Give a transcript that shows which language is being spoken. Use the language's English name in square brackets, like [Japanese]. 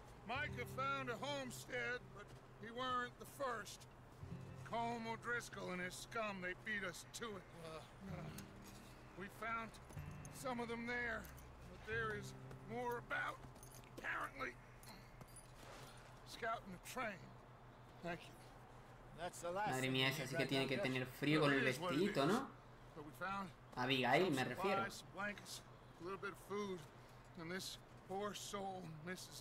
[English] Micah found a homestead, but he weren't the first. Colm O'Driscoll and his scum, they beat us to it. We found some of them there. There is more about, apparently, scouting the train. Thank you. That's the last. [Spanish] Madre mía, esa sí que tiene que tener frío con el vestidito, ¿no? Abigail, me refiero. [English] Blankets, a little bit of food, and this poor soul, Mrs.